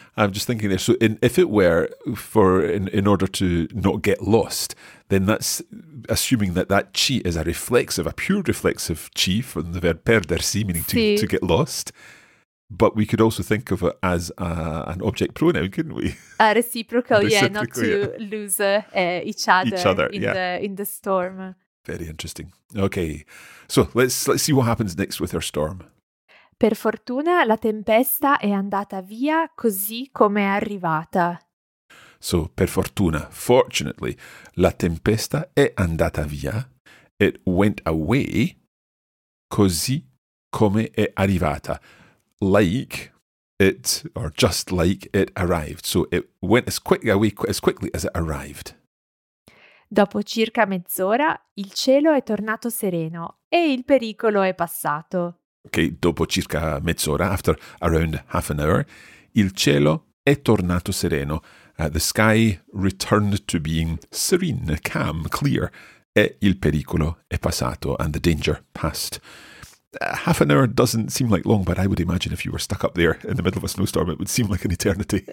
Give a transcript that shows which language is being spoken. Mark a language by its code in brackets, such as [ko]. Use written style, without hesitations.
[en] I'm just thinking there. So if it were for in order to not get lost, then that's assuming that chi is a reflexive, a pure reflexive chi from the verb perdersi, meaning to get lost. But we could also think of it as an object pronoun, couldn't we? A reciprocal, lose each other in the storm. Very interesting. Okay, so let's see what happens next with our storm. [it] Per fortuna la tempesta è andata via così come è arrivata. So, per fortuna, [en] fortunately, [it] la tempesta è andata via, [en] it went away, [it] così come è arrivata. [en] Like it, or just like it arrived. So it went as quickly away as quickly as it arrived. [it] Dopo circa mezz'ora il cielo è tornato sereno e il pericolo è passato. Ok, dopo circa mezz'ora, [en] after around half an hour, [it] il cielo è tornato sereno. [en] The sky returned to being serene, calm, clear. [it] E il pericolo è passato, [en] and the danger passed. Half an hour doesn't seem like long, but I would imagine if you were stuck up there in the middle of a snowstorm, it would seem like an eternity.